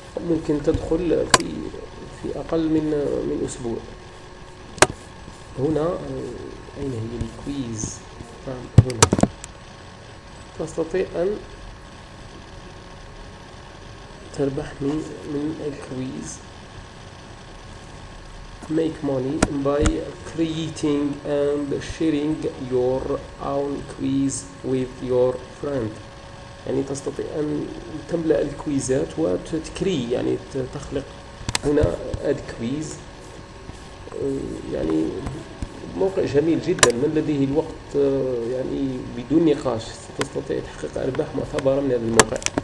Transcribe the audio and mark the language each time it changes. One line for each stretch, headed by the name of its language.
Arabic: ممكن تدخل في أقل من أسبوع. هنا أين هي الكويز؟ نعم هنا تستطيع أن تربح من الكويز.
English: make money by creating and sharing your own quiz with your friend.
Arabic: يعني تستطيع أن تملأ الكويزات وتكري، يعني تخلق. هنا add quiz، يعني موقع جميل جدا، من لديه الوقت يعني بدون نقاش تستطيع تحقيق أرباح معتبرة من هذا الموقع.